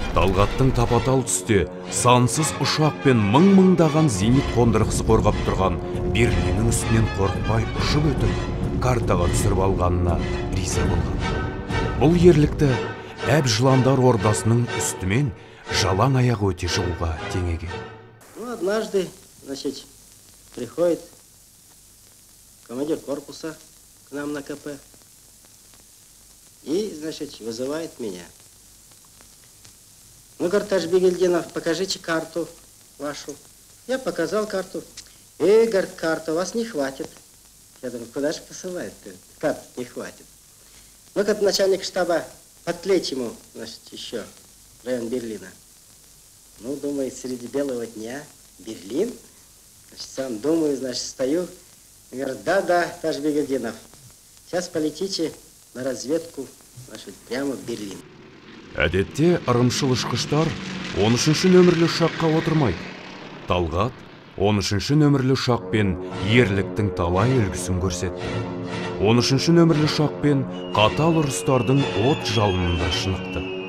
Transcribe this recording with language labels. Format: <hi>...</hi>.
<kk>Талғаттың тапа-тал түсте сансыз ұшақ пен мың-мыңдаған зенит қондырғысы қорғап тұрған Берлиннің үстінен қорықпай ұшып өтіп картаға түсіріп алғанына риза болған. Бұл ерлікті әп жыландар ордасының үстімен жалаң аяғы өте жығуға теңеген.</kk> <ru>Однажды, значит, приходит командир корпуса к нам на КП. И, значит, вызывает меня. Ну, говорит, Аш Бегельдинов, покажите карту вашу. Я показал карту. Эй, говорит, карта у вас не хватит. Я думаю, куда же посылает-то? Карты не хватит. Ну, как начальник штаба, подлечь ему, значит, еще район Берлина. Ну, думает, среди белого дня Берлин. Значит, сам думаю, значит, стою. Говорит, да-да, Аш Бегельдинов, сейчас полетите на разведку, значит, прямо в Берлин.</ru> <kk>Әдетте ырымшыл ұшқыштар 13-ші нөмірлі ұшаққа отырмайды. Талғат 13-ші нөмірлі ұшақпен ерліктің талай үлгісін көрсетті. 13-ші нөмірлі ұшақпен қатал ұрыстардың от жалынында шынықты.</kk>